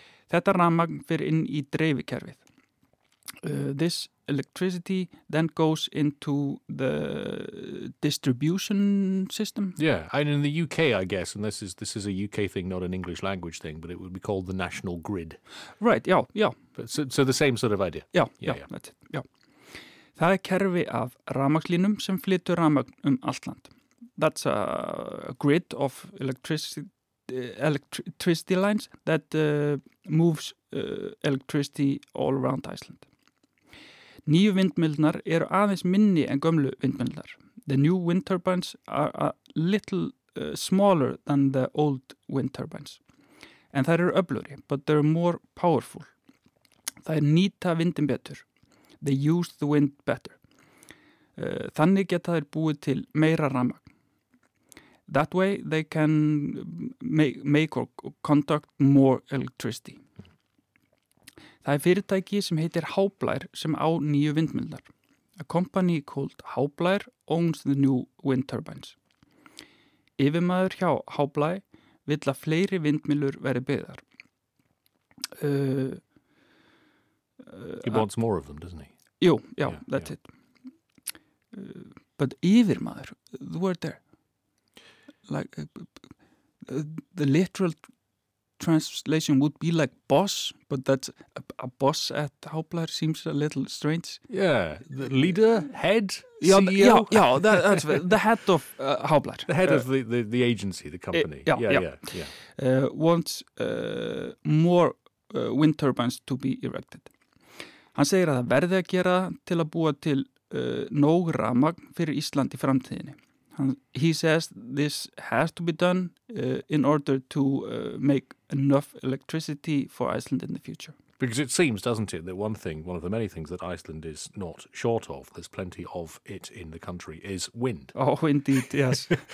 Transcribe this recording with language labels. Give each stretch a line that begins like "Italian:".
Icelandic: Þetta rafmagn fer inn í dreifikerfið.
English: This electricity then goes into the distribution system. Yeah, and in the UK, I guess, and this is a UK thing, not an English language thing, but it would be called the national grid. Right, yeah, yeah. But so the same sort of idea. Yeah, yeah, yeah, yeah. That's it, yeah.
Icelandic: Það kerfi af rafmagnslínum sem flytur rafmagn allt land.
English: That's a grid of electricity lines that moves electricity all around Iceland.
Icelandic: Nýju vindmyllnar eru aðeins minni en gömlu vindmyllnar.
English: The new wind turbines are a little smaller than the old wind turbines.
Icelandic: En þær eru öflugri,
English: but they're more powerful.
Icelandic: Þær nýta vindin betur.
English: They use the wind better.
Icelandic: Þannig geta þær búið til meira rafmagn.
English: That way they can make or conduct more electricity.
Icelandic: Það fyrirtæki sem heitir Háblær sem á nýju vindmyllnar.
English: A company called Háblær owns the new wind turbines.
Icelandic: Yfirmaður hjá Háblær vill að fleiri vindmyllur verði byggðar.
English: He wants more of them, doesn't he?
Icelandic: Jú, já,
English: that's it. But yfirmaður, the word there, like the literal translation would be like boss, but that's a boss at Hoplar seems a little strange. Yeah, the leader, head, CEO. The head of Hoplar. The head of the agency, the company. Wants more wind turbines to be erected.
Icelandic: Hann segir að það verði að gera til að búa til nóg rafmagn fyrir Ísland í framtíðinni.
English: He says this has to be done in order to make enough electricity for Iceland in the future. Because it seems, doesn't it, that one of the many things that Iceland is not short of, there's plenty of it in the country, is wind. Oh, indeed, yes.